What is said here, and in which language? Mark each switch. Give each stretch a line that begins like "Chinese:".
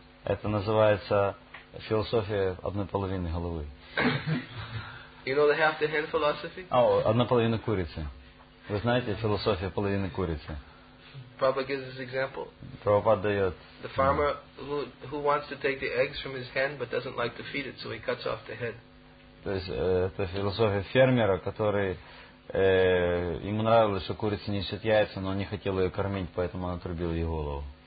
Russian: Это называется философия одной половины головы.
English: You know the half the hen philosophy?
Russian: Одна половина курицы. Вы знаете философия половины курицы?
English: Prabhupada gives this example.
Russian: Prabhupada дает.
English: The farmer who wants to take the eggs from his hen but doesn't like to feed it, so he cuts off the head.
Russian: То есть это философия фермера, который ему нравилось, что курица несет яйца, но он не хотел ее кормить, поэтому он отрубил ей голову.